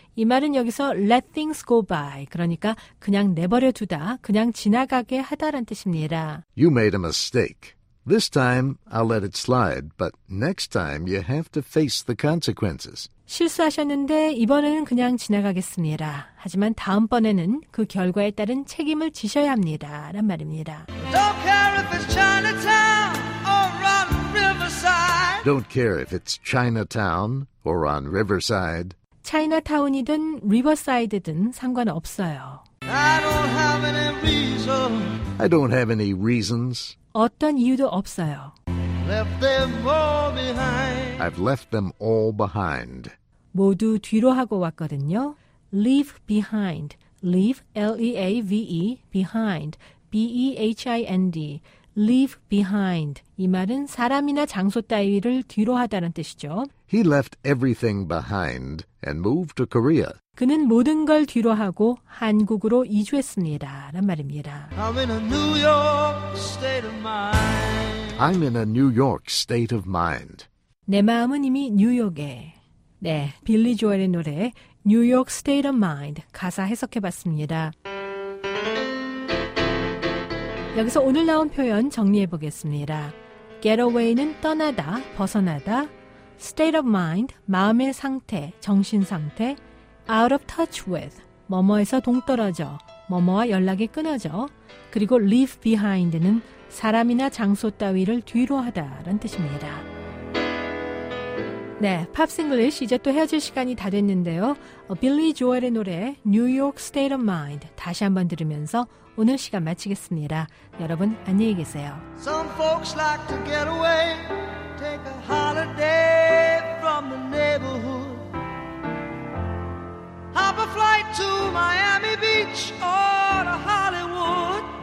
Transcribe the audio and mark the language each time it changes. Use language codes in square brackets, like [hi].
[ko] 이 말은 여기서 [en] let things go by. [ko] 그러니까 그냥 내버려 두다, 그냥 지나가게 하다란 뜻입니다. [en] You made a mistake. This time, I'll let it slide, but next time, you have to face the consequences. [ko] 실수하셨는데 이번에는 그냥 지나가겠습니다. 하지만 다음번에는 그 결과에 따른 책임을 지셔야 합니다. 란 말입니다. [en] Don't care if it's Chinatown or on Riverside. Don't care if it's Chinatown or on Riverside. [ko] 차이나타운이든 리버사이드든 상관없어요. [en] I don't have any reason. I don't have any reasons. [ko] 어떤 이유도 없어요. [en] Left them all behind. I've left them all behind. [ko] 모두 뒤로 하고 왔거든요. [en] Leave behind. Leave, L-E-A-V-E, behind. B-E-H-I-N-D. Leave behind. [ko] 이 말은 사람이나 장소 따위를 뒤로 하다는 뜻이죠. [en] He left everything behind and moved to Korea. [ko] 그는 모든 걸 뒤로 하고 한국으로 이주했습니다. 라는 말입니다. [en] I'm in a New York state of mind. I'm in a New York state of mind. [ko] 내 마음은 이미 뉴욕에. 네, 빌리 조엘의 노래 New York State of Mind 가사 해석해봤습니다. 여기서 오늘 나온 표현 정리해보겠습니다. Get away는 떠나다, 벗어나다. State of mind, 마음의 상태, 정신 상태. Out of touch with, 뭐뭐에서 동떨어져, 뭐뭐와 연락이 끊어져. 그리고 leave behind는 사람이나 장소 따위를 뒤로하다 라는 뜻입니다. 네, 팝싱글리쉬 이제 또 헤어질 시간이 다 됐는데요. 빌리 조엘의 노래 New York State of Mind 다시 한번 들으면서 오늘 시간 마치겠습니다. 여러분 안녕히 계세요. [en] Some folks like to get away, take a holiday from the neighborhood. Hop a flight to Miami Beach or to Hollywood.